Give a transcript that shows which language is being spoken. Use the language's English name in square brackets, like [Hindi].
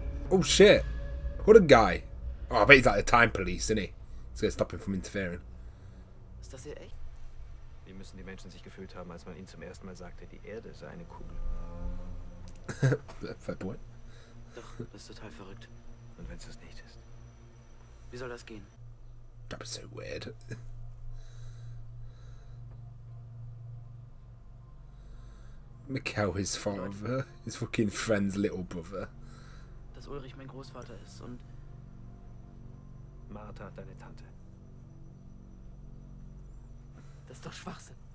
[English] Oh shit! What a guy! Oh, I bet he's like the time police, isn't he? It's gonna stop him from interfering. Is that it? [German] Wie müssen die Menschen sich gefühlt haben, als man ihnen zum ersten Mal sagte, die Erde sei eine Kugel? [English] Fair point. [German] Doch, das ist total verrückt. Und wenn es das nicht ist? Wie soll das gehen? [English] That was so weird. Mikkel, his father. His fucking friend's little brother. [German] Dass Ulrich mein Großvater ist und... Martha, deine Tante. Das ist doch Schwachsinn.